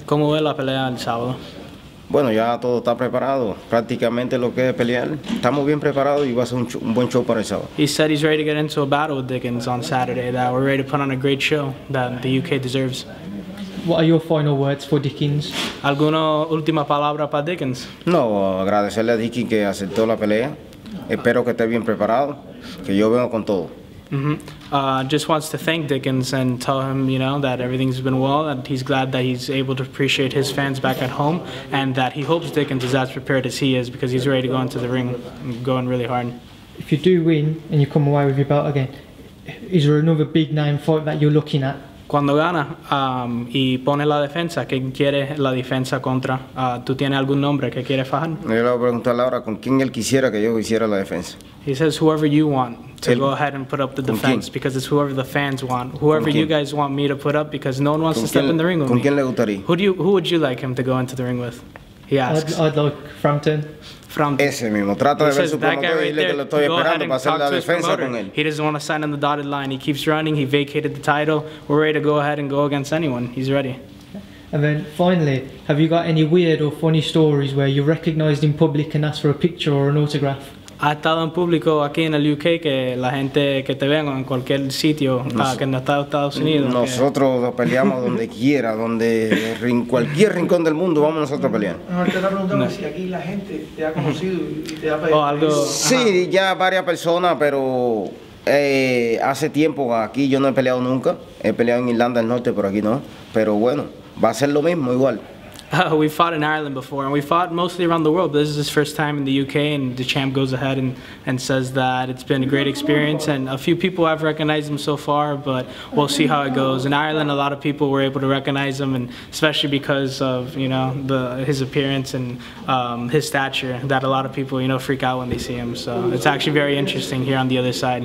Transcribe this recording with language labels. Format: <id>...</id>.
<es>¿Cómo ve la pelea el sábado? Bueno, ya todo está preparado. Prácticamente lo que es pelear, estamos bien preparados y va a ser un buen show para el sábado.</es> <en>He said he's ready to get into a battle with Dickens on Saturday, that we're ready to put on a great show that the UK deserves. What are your final words for Dickens?</en> <es>¿Alguna última palabra para Dickens? No, agradecerle a Dickens que aceptó la pelea. Espero que esté bien preparado, que yo vengo con todo.</es> <en>Just wants to thank Dickens and tell him, you know, that everything's been well and he's glad that he's able to appreciate his fans back at home and that he hopes Dickens is as prepared as he is because he's ready to go into the ring and going really hard. If you do win and you come away with your belt again, is there another big name fight that you're looking at?</en> <es>Cuando gana y pone la defensa, ¿quién quiere la defensa contra? ¿Tú tienes algún nombre que quiere fajar? Yo le voy a preguntar a Laura, ¿con quién él quisiera que yo hiciera la defensa?</es> <en>He says whoever you want to go ahead and put up the defense because it's whoever the fans want. Whoever you guys want me to put up because no one wants to step in the ring with me.</en> <es>¿Con quién le gustaría?</es> <en>Who would you like him to go into the ring with? He asks. I'd like Frampton.</en> <es>Ese mismo. Trata de ver su promotor y dile que lo estoy esperando para hacer la defensa con él.</es> <en>He doesn't want to sign on the dotted line. He keeps running. He vacated the title. We're ready to go ahead and go against anyone. He's ready. And then finally, have you got any weird or funny stories where you're recognized in public and asked for a picture or an autograph?</en> <es>Ha estado en público aquí en el UK que la gente que te vea en cualquier sitio que no está en Estados Unidos. Nosotros que... peleamos donde quiera, donde cualquier rincón del mundo vamos nosotros a pelear. No, te está preguntando si aquí la gente te ha conocido y te ha pedido. O algo. Sí, ya varias personas, pero hace tiempo aquí yo no he peleado nunca. He peleado en Irlanda del Norte, pero aquí no. Pero bueno, va a ser lo mismo igual.</es> <en>We fought in Ireland before, and we fought mostly around the world. This is his first time in the UK, and the champ goes ahead and says that it's been a great experience, and a few people have recognized him so far, but we'll see how it goes. In Ireland, a lot of people were able to recognize him, and especially because of, you know, his appearance and his stature, that a lot of people, you know, freak out when they see him. So it's actually very interesting here on the other side.</en>